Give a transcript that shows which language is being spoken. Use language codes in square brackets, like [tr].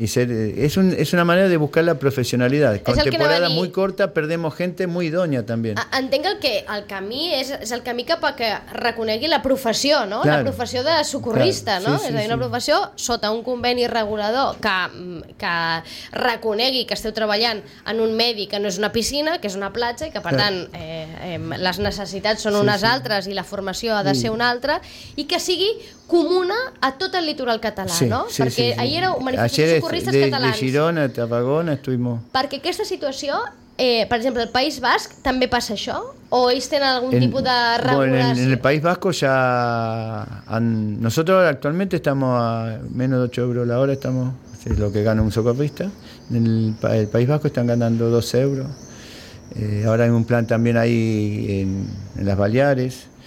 [es] Y ser, es una manera de buscar la profesionalidad. Con temporada muy corta perdemos gente muy idónea también. [ca] Entenc el que el camí és el camí cap a que reconegui la professió, no? Claro. La professió de socorrista, claro, sí, no? Sí, és a dir, una professió, sí, sota un conveni regulador que reconegui que esteu treballant en un medi que no és una piscina, que és una platja i que, per, claro, tant, les necessitats són, sí, unes, sí, altres, i la formació ha de, sí, ser una altra, i que sigui comuna a tot el litoral català, sí, no? Sí, perquè, sí, sí, ahir era un manifestació de socorristes catalans. [es] De Girona, Tarragona, estuvimos. [ca] Perquè aquesta situació, per exemple, al País Basc també passa això? O ells tenen algun tipus de regulació? [es] Bueno, en el País Basco ya... Nosotros actualmente estamos a menos de 8 euros la hora, estamos, es lo que gana un socorrista. En el País Basco están ganando 12 euros. Ahora hay un plan también ahí en las Baleares.